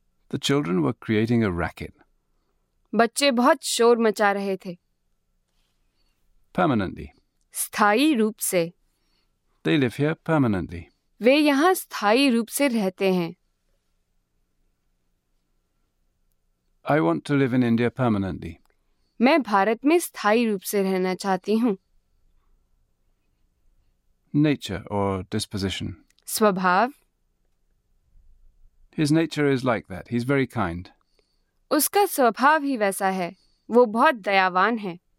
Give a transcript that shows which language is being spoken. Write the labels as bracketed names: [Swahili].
[English] The children were creating a racket. [Hindi] बच्चे बहुत शोर मचा रहे थे. [English] Permanently. [Hindi] स्थाई रूप से. [English] They live here permanently. [Hindi] वे यहाँ स्थाई रूप से रहते हैं. [English] I want to live in India permanently. [Hindi] मैं भारत में स्थाई रूप से रहना चाहती हूँ. [English] Nature or disposition. [Hindi] स्वभाव. [English] His nature is like that. He's very kind. [Hindi] उसका स्वभाव ही वैसा है. वो बहुत दयावान है.